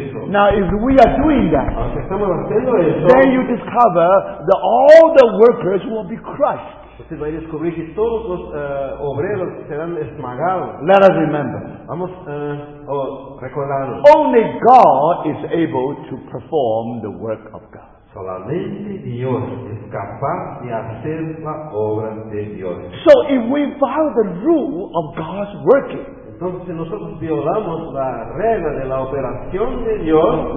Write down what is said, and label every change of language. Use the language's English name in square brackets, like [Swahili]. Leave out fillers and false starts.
[English] Now, if we are doing that, then you discover that all the workers will be crushed. [Spanish] Usted va a descubrir que todos los obreros serán esmagados. [English] Let us remember. [Spanish] Vamos recordar. [English] Only God is able to perform the work of God. [Spanish] Solamente Dios es capaz de hacer la obra de Dios. [English] So if we follow the rule of God's working, [Spanish] entonces si nosotros violamos la regla de la operación de Dios,